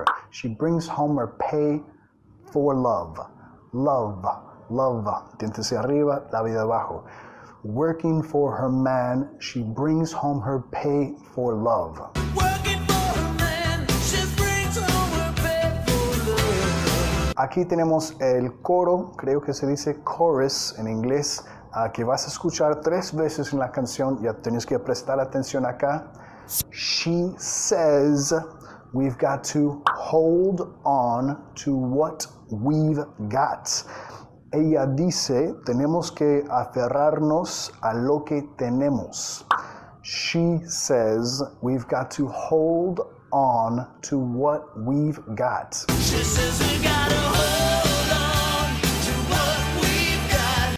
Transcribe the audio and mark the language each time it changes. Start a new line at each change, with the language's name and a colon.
English: She brings home her pay for love. Love.
Spanish: Diente hacia arriba, labio abajo.
English: Working for her man, she brings home her pay for love. Working for her man, she brings home her pay for love.
Spanish: Aquí tenemos el coro, creo que se dice chorus en inglés, que vas a escuchar tres veces en la canción. Ya tienes que prestar atención acá.
English: She says, we've got to hold on to what we've got.
Spanish: Ella dice, tenemos que aferrarnos a lo que tenemos.
English: She says, we've got to hold on to what we've got. She says, we've got to hold on to what we've got.